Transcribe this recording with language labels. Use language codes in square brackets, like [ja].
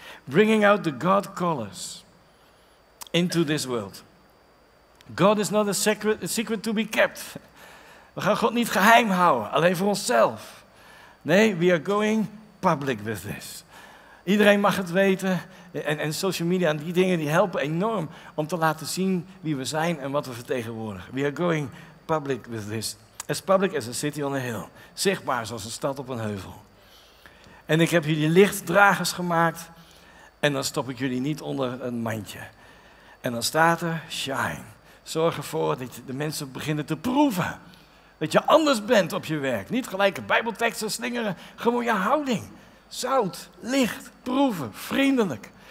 [en] Bringing out the God colors into this world. God is not a secret to be kept. [nl] We gaan God niet geheim houden, alleen voor onszelf. Nee, [en] we are going public with this. [nl] Iedereen mag het weten. En social media en die dingen die helpen enorm om te laten zien wie we zijn en wat we vertegenwoordigen. [en] We are going public with this. As public as a city on a hill. [nl] Zichtbaar zoals een stad op een heuvel. En ik heb jullie lichtdragers gemaakt. En dan stop ik jullie niet onder een mandje. En dan staat er, shine. Zorg ervoor dat de mensen beginnen te proeven. Dat je anders bent op je werk. Niet gelijke bijbelteksten slingeren. Gewoon je houding. Zout, licht, proeven, vriendelijk.